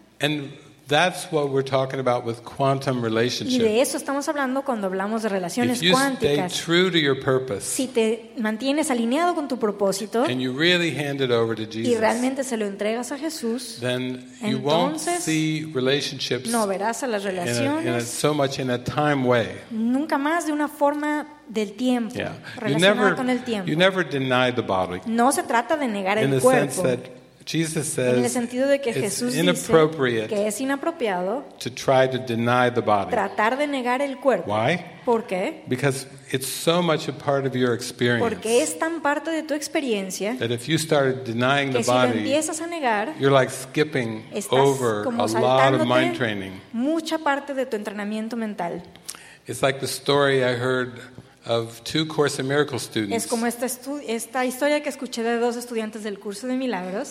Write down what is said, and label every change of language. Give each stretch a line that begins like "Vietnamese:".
English: And that's what we're talking about with quantum relationships.
Spanish: Y de eso estamos hablando cuando hablamos de relaciones cuánticas.
English: If you stay true to your purpose,
Spanish: si te mantienes alineado con tu propósito,
English: and you really hand it over to Jesus,
Spanish: y realmente se lo entregas a Jesús,
English: then you won't see relationships
Spanish: no verás a las relaciones
English: so much in a time way.
Spanish: Nunca más de una forma del tiempo,
English: yeah,
Spanish: relacionada con el tiempo.
English: You never deny the body.
Spanish: No se trata de negar
English: in
Spanish: el
English: the
Spanish: cuerpo.
English: Sense that Jesus says,
Spanish: en el sentido de que Jesús dice que es inapropiado
English: to try to deny the body.
Spanish: Tratar de negar el cuerpo.
English: Why?
Spanish: ¿Por qué?
English: Because it's so much a part of your experience.
Spanish: Porque es tan parte de tu experiencia
English: that if you started denying the body,
Spanish: que si lo empiezas a negar,
English: you're like skipping over a lot of mind training.
Spanish: Mucha parte de tu entrenamiento mental.
English: It's like the story I heard of two Course in Miracles students.
Spanish: Es como esta historia que escuché de dos estudiantes del curso de milagros.